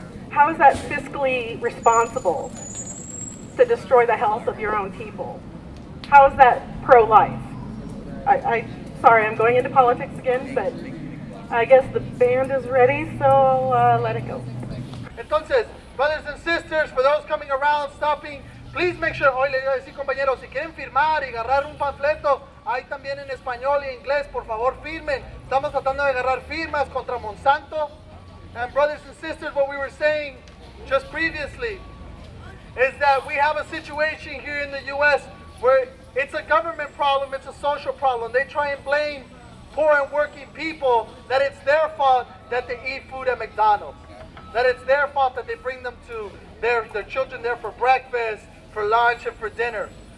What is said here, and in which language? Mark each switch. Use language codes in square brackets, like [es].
[en] How is that fiscally responsible to destroy the health of your own people? How is that pro-life? Sorry, I'm going into politics again, but I guess the band is ready, so let it go. [es] Entonces, [en] brothers and sisters, for those coming around, stopping, please make sure, [es] hoy le voy a decir, compañeros, si quieren firmar y agarrar un panfleto, hay también en español y inglés, por favor, firmen. Estamos tratando de agarrar firmas contra Monsanto. [en] And brothers and sisters, what we were saying just previously is that we have a situation here in the U.S. where it's a government problem, it's a social problem. They try and blame poor and working people that it's their fault that they eat food at McDonald's, that it's their fault that they bring them to their children there for breakfast, for lunch, and for dinner.